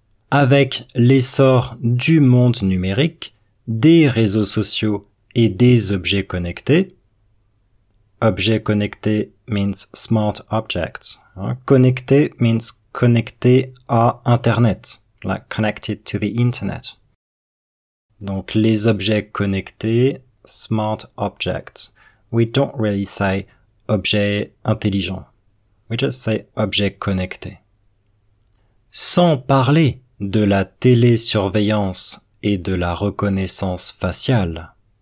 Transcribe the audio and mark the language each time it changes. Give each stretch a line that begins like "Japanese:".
French: Avec l'essor du monde numérique, des réseaux sociaux et des objets connectés. Objets connectés
English: means smart objects.
French: Connecté means connecté à Internet.
English: Like connected to the Internet.
French: Donc les objets connectés,
English: smart objects. We don't really say
French: objet intelligent.
English: We just say
French: objet connecté. Sans parler de la télésurveillance et de la reconnaissance faciale.